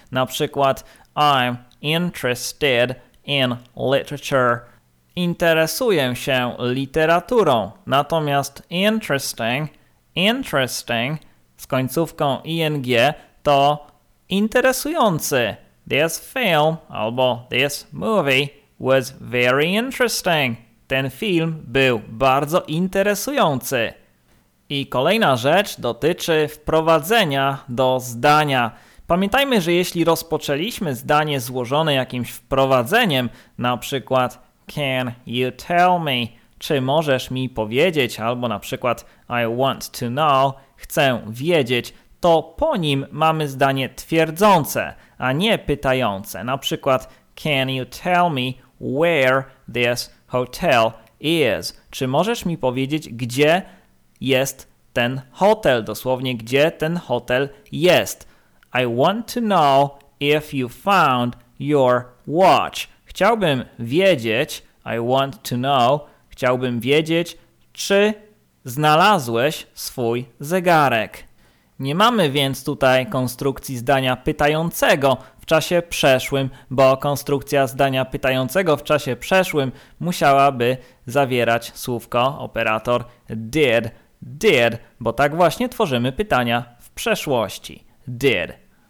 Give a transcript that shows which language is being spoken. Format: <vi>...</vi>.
<pl>Na przykład</pl> <en>I'm interested in literature.</en> <pl>Interesuję się literaturą. Natomiast</pl> <en>interesting, interesting</en> <pl>z końcówką ing to interesujący.</pl> <en>This film,</en> <pl>albo</pl> <en>this movie, was very interesting.</en> <pl>Ten film był bardzo interesujący. I kolejna rzecz dotyczy wprowadzenia do zdania. Pamiętajmy, że jeśli rozpoczęliśmy zdanie złożone jakimś wprowadzeniem, na przykład</pl> <en>can you tell me,</en> <pl>czy możesz mi powiedzieć, albo na przykład</pl> <en>I want to know,</en> <pl>chcę wiedzieć, to po nim mamy zdanie twierdzące, a nie pytające. Na przykład,</pl> <en>can you tell me where this hotel is?</en> <pl>Czy możesz mi powiedzieć, gdzie jest ten hotel? Dosłownie, gdzie ten hotel jest?</pl> <en>I want to know if you found your watch.</en> <pl>Chciałbym wiedzieć,</pl> <en>I want to know,</en> <pl>chciałbym wiedzieć, czy znalazłeś swój zegarek. Nie mamy więc tutaj konstrukcji zdania pytającego w czasie przeszłym, bo konstrukcja zdania pytającego w czasie przeszłym musiałaby zawierać słówko operator did, did, bo tak właśnie tworzymy pytania w przeszłości, did.</pl>